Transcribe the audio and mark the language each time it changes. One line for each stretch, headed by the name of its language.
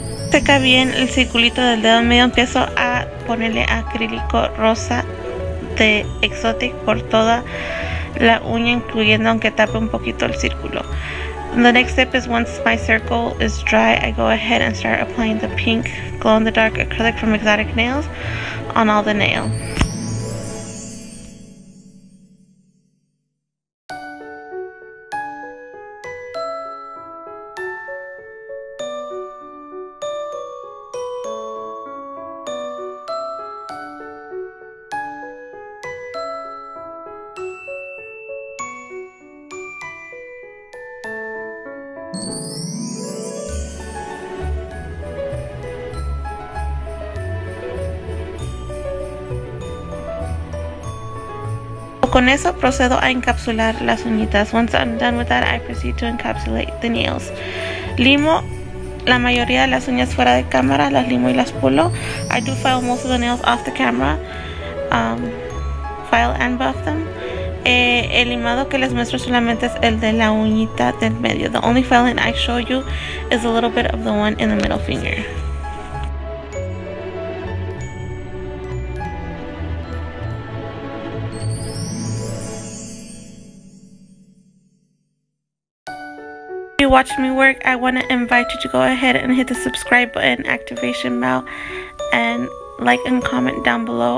Spanish: te cae bien el circulito del dedo medio, empiezo a ponerle acrílico rosa de Exotic por toda la uña, incluyendo aunque tape un poquito el círculo.
English: The next step is, once my circle is dry, I go ahead and start applying the pink glow-in-the-dark acrylic from Exotic Nails on all the nail.
Spanish: Con eso procedo a encapsular las uñitas.
English: Once I'm done with that, I proceed to encapsulate the nails.
Spanish: Limo la mayoría de las uñas fuera de cámara, las limo y las pulo.
English: I do file most of the nails off the camera, file and buff them.
Spanish: El limado que les muestro solamente es el de la uñita del medio.
English: The only filing I show you is a little bit of the one in the middle finger. If you watch me work, I want to invite you to go ahead and hit the subscribe button, activation bell, and like and comment down below.